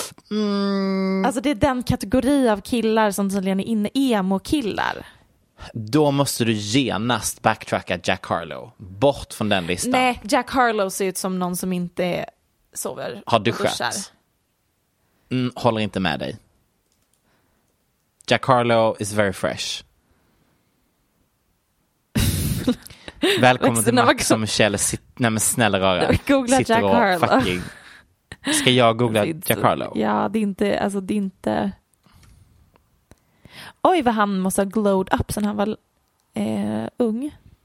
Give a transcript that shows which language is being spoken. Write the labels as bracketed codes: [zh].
[sv] Mm. Alltså det är den kategori av killar som tydligen är inne, emo-killar. Då måste du genast backtracka Jack Harlow bort från den listan. Nej, Jack Harlow ser ut som någon som inte sover. Har du skött? Håller inte med dig. [en] Jack Harlow is very fresh. [sv] Välkommen till Max och Michelle. Nej men snälla röra. Googla Jack Harlow. Fucking. Ska jag googla Jack Harlow? Ja, det är inte, alltså det är inte. Oj vad han måste ha glowed up sen han var ung.